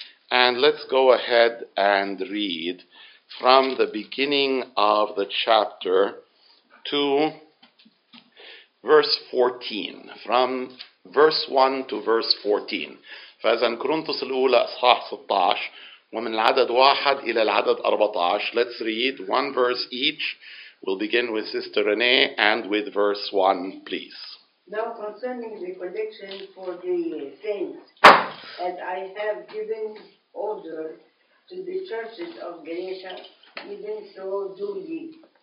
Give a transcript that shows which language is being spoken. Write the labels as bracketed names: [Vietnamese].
[English] And let's go ahead and read from the beginning of the chapter to verse 14. From verse 1 to verse 14. [Arabic] فإذن كورنثوس الأولى إصحاح 16 ومن العدد 1 إلى العدد 14. [English] Let's read one verse each. We'll begin with Sister Renee and with verse 1, please. Now concerning the collection for the saints, as I have given order to the churches of Galatia, even so do ye.